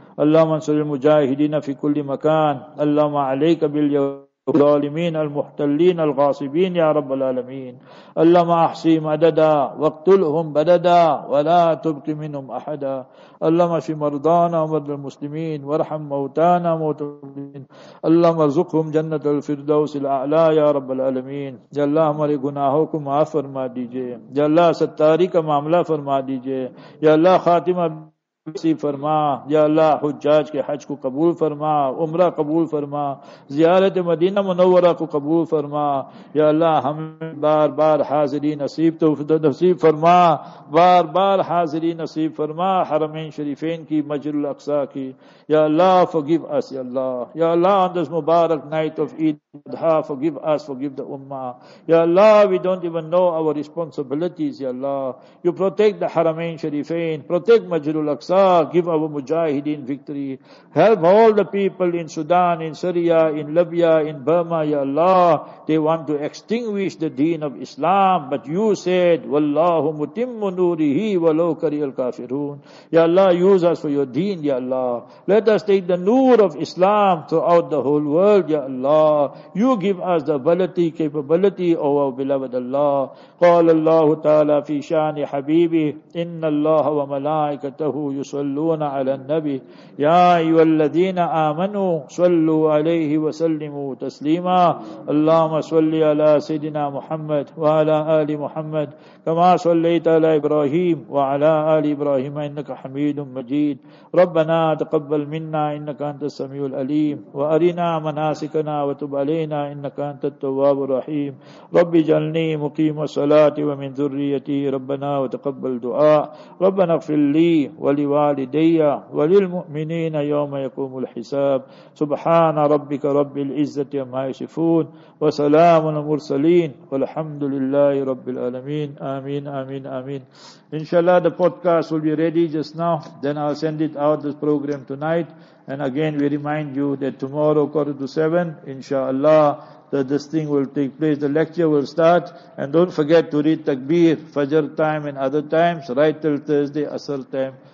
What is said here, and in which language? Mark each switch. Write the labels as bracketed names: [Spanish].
[Arabic] اللهم انصر المجاهدين في كل مكان. اللهم عليك باليوم الظالمين المحتلين الغاصبين يا رب العالمين. اللهم احصهم عددا واقتلهم بددا ولا تبق منهم أحدا. اللهم اشف مرضانا ومرضى المسلمين وارحم موتانا وموتى المسلمين. اللهم ارزقهم جنة الفردوس الأعلى يا رب العالمين. [Urdu] يا الله ہمارے گناہوں کو معاف فرما دیجئے. يا الله ستاری کا معاملہ فرما دیجئے. يا الله خاتمہ نصیب فرما. يا الله حجاج کے حج کو قبول فرما, عمرہ قبول فرما, زیارت مدینہ منورہ کو قبول فرما. يا الله ہمیں بار بار حاضری نصیب نصیب فرما, بار بار حاضری نصیب فرما حرمین شریفین کی, مسجد الاقصا کی. [English] يا الله forgive us, يا الله. يا الله on this مبارک night of Eid Adha, forgive us, forgive the ummah. يا الله we don't even know our responsibilities, يا الله. You protect the حرمین شریفین, protect مسجد الاقصا. Nasar, give our Mujahideen victory. Help all the people in Sudan, in Syria, in Libya, in Burma, Ya Allah. They want to extinguish the deen of Islam, but you said, [Arabic] Wallahu mutimmu nurihi walau karihal kafirun. [English] Ya Allah, use us for your deen, Ya Allah. Let us take the noor of Islam throughout the whole world, Ya Allah. You give us the ability, capability, O our beloved Allah. [Arabic] قال الله تعالى في شان حبيبه إن الله وملائكته يصلون على النبي يا أيها الذين آمنوا صلوا عليه وسلموا تسليما اللهم صل على سيدنا محمد وعلى آل محمد كما صليت على إبراهيم وعلى آل إبراهيم إنك حميد مجيد ربنا تقبل منا إنك أنت السميع العليم وأرنا مناسكنا وتب علينا إنك أنت التواب الرحيم رب اجعلني مقيم الصلاة ومن ذريتي ربنا وتقبل دعاء ربنا اغفر لي ولوالدي وللمؤمنين يوم يقوم الحساب سبحان ربك رب العزة عما يصفون وسلام على المرسلين والحمد لله رب العالمين آمين آمين آمين [English] Inshallah, the podcast will be ready just now. Then I'll send it out, this program, tonight. And again, we remind you that tomorrow, 6:45, inshallah, that this thing will take place. The lecture will start. And don't forget to read Takbir, Fajr time and other times, right till Thursday, Asr time.